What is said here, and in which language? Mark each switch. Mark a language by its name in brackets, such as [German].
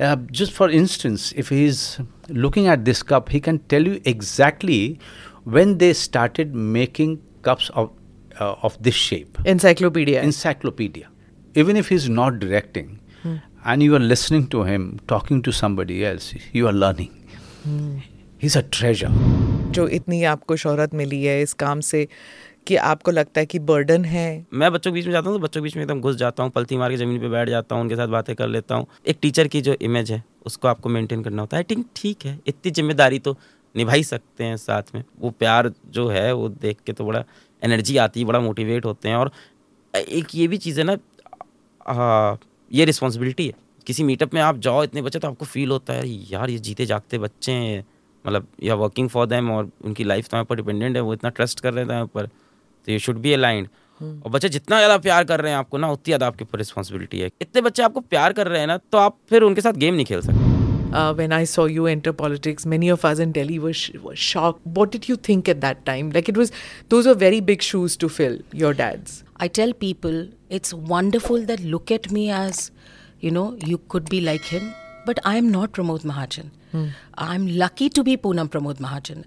[English] Just for instance, if he's looking at this cup, he can tell you exactly when they started making cups of this shape. Encyclopedia. Even if he's not directing, and you are listening to him, talking to somebody else, you are learning. He's a treasure. [Hindi] जो इतनी आपको शोहरत मिली है इस काम से कि आपको लगता है कि बर्डन है? मैं बच्चों के बीच में जाता हूँ तो बच्चों के बीच में एकदम घुस जाता हूँ, पलती मार के जमीन पे बैठ जाता हूँ, उनके साथ बातें कर लेता हूँ. एक टीचर की जो इमेज है उसको आपको मेंटेन करना होता है. [English] I think [Hindi] ठीक है, इतनी जिम्मेदारी तो निभा ही सकते हैं साथ में. वो प्यार जो है वो देख के तो बड़ा एनर्जी आती है, बड़ा मोटिवेट होते हैं. और एक ये भी चीज़ है ना, ये रिस्पॉन्सिबिलिटी है. किसी मीटअप में आप जाओ, इतने बच्चे, तो आपको फील होता है यार ये जीते जागते बच्चे हैं, मतलब [English] you are working for them [Hindi] और उनकी लाइफ तो पर डिपेंडेंट है, वो इतना ट्रस्ट कर रहे हैं पर, तो [English] You should be aligned. [Hindi] और बच्चे जितना ज़्यादा प्यार कर रहे हैं आपको ना, उतनी ज़्यादा आपके ऊपर रिस्पॉन्सिबिलिटी है. इतने बच्चे आपको प्यार कर रहे हैं ना, तो आप फिर उनके साथ गेम नहीं खेल सकते. [English] When I saw you enter politics, many of us in Delhi were shocked. What did you think at that time? Like it was, those were very big shoes to fill, your dad's. I tell people, it's wonderful that look at me as, you know, you could be like him. But I am not Pramod Mahajan. I'm lucky to be Poonam Pramod Mahajan.